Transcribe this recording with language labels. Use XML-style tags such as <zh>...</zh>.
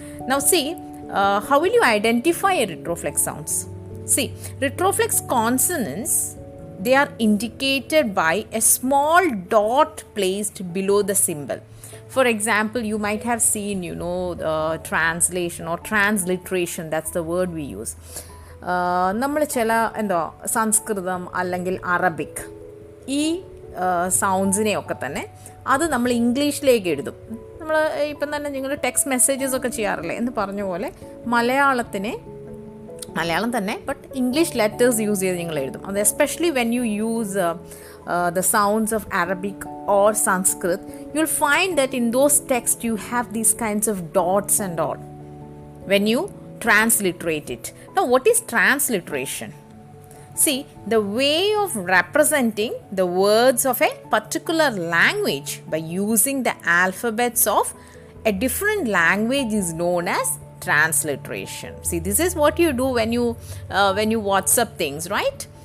<en>Now see, how will you identify a retroflex sounds? See, retroflex consonants, they are indicated by a small dot placed below the symbol. For example, you might have seen, you know, the translation or transliteration, that's the word we use.</en> <ml>നമ്മൾ ചില എന്തോ സംസ്കൃതം അല്ലെങ്കിൽ Arabic ഈ സൗണ്ട്സിനെ ഒക്കെ തന്നെ അത് നമ്മൾ ഇംഗ്ലീഷിലേക്ക് എഴുതും. നമ്മൾ ഇപ്പം തന്നെ നിങ്ങൾ ടെക്സ്റ്റ് മെസ്സേജസ് ഒക്കെ ചെയ്യാറില്ലേ എന്ന് പറഞ്ഞ പോലെ മലയാളത്തിനെ മലയാളം തന്നെ</ml> <en>but English letters use</en> <ml>ചെയ്ത് നിങ്ങൾ എഴുതും.</ml> <en>അത് especially when you use the sounds of Arabic or Sanskrit you will find that in those text you have these kinds of dots and all when you transliterate it. Now what is transliteration? See, the way of representing the words of a particular language by using the alphabets of a different language is known as transliteration. See, this is what you do when you WhatsApp things, right?</en>